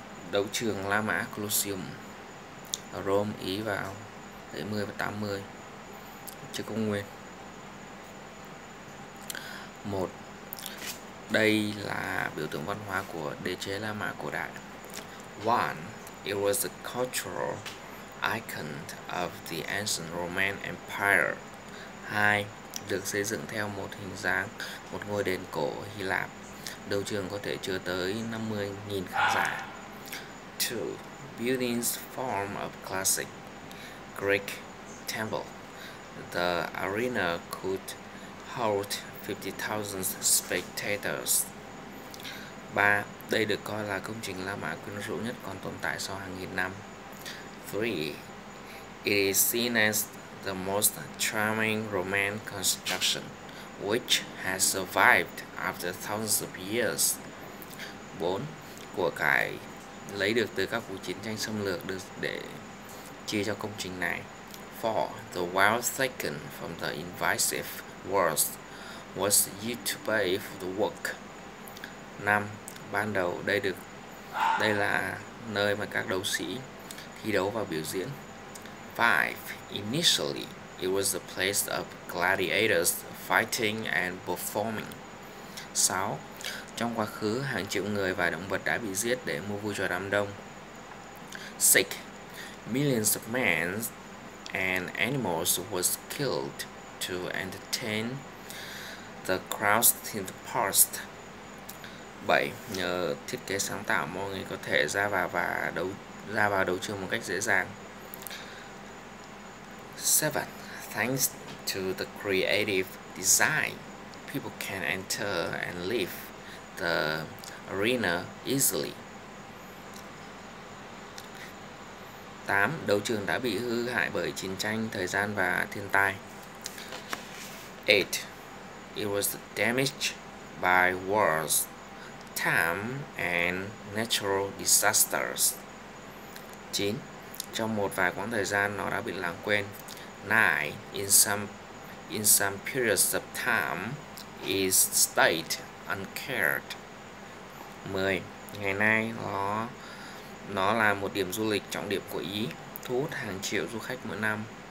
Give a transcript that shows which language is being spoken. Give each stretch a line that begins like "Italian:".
Vietnamese: Đấu trường La Mã Colosseum, Rome, Ý vào thế 10 và 80 trước Công Nguyên. 1. Đây là biểu tượng văn hóa của đế chế La Mã cổ đại. 1.
English: It was the cultural icon of the ancient Roman Empire. 2.
Vietnamese: Được xây dựng theo một hình dáng một ngôi đền cổ Hy Lạp. Đấu trường có thể chứa tới 50.000 khán giả.
English: 2. Buildings form of classic Greek temple. The arena could hold 50,000 spectators. 3.
Vietnamese: Đây được coi là công trình La Mã quyến rũ nhất còn tồn tại sau hàng nghìn năm. 3.
English: It is seen as the most charming Roman construction, which has survived after thousands of years. 4.
Vietnamese: Của cải lấy được từ các cuộc chiến tranh xâm lược được để chia cho công trình này. 4.
English: The wealth taken from the invasive wars was used to pay for the work. 5.
Vietnamese: Ban đầu đây là nơi mà các đấu sĩ thi đấu và biểu diễn. 5.
English: Initially, it was the place of gladiators fighting and performing. 6.
Vietnamese: Trong quá khứ, hàng triệu người và động vật đã bị giết để mua vui cho đám đông. 6.
English: Millions of men and animals was killed to entertain the crowds in the past. 7.
Vietnamese: Nhờ thiết kế sáng tạo, mọi người có thể ra vào và đấu trường một cách dễ dàng. 7.
English: Thanks to the creative design, people can enter and leave the arena easily. 8.
Vietnamese: Đấu trường đã bị hư hại bởi chiến tranh, thời gian và thiên tai.
English: 8. It was damaged by wars, time and natural disasters. 9.
Vietnamese: Trong một vài quãng thời gian, nó đã bị lãng quên. 9.
English: In some periods of time, it stayed uncared. 10.
Vietnamese: Ngày nay, nó là một điểm du lịch trọng điểm của Ý, thu hút hàng triệu du khách mỗi năm.